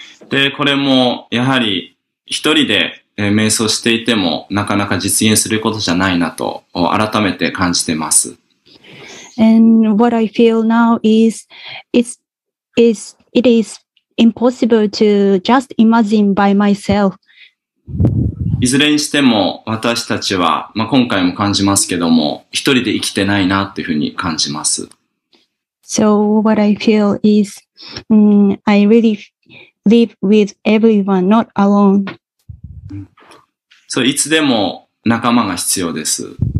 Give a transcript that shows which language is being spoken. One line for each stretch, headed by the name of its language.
Japanese: で、これも、やはり、一人で、瞑想していても、なかなか実現することじゃないなと、改めて感じてます。
English: And what I feel now is, it is impossible to just imagine by myself.
Japanese: いずれにしても、私たちは、まあ、今回も感じますけども、一人で生きてないな、というふうに感じます。
English: So what I feel is, I reallyLive with everyone, not alone.
Japanese: So, いつでも仲間が必要です。